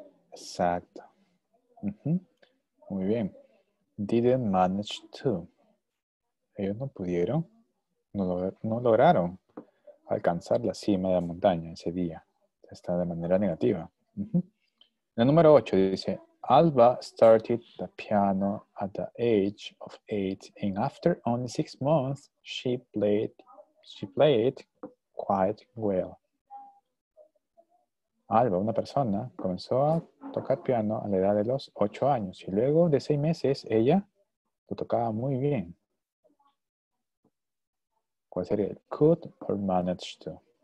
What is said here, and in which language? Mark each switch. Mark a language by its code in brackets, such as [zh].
[es] Exacto. Muy bien. [en] Didn't manage to. [es] Ellos no pudieron, no lograron alcanzar la cima de la montaña ese día. Está de manera negativa. La número 8 dice, [en] Alba started the piano at the age of 8 and after only 6 months, she played quite well. [es] Alba, una persona, comenzó a tocar piano a la edad de los 8 años y luego de 6 meses, ella lo tocaba muy bien. ¿Cuál sería? [en] Could or managed to.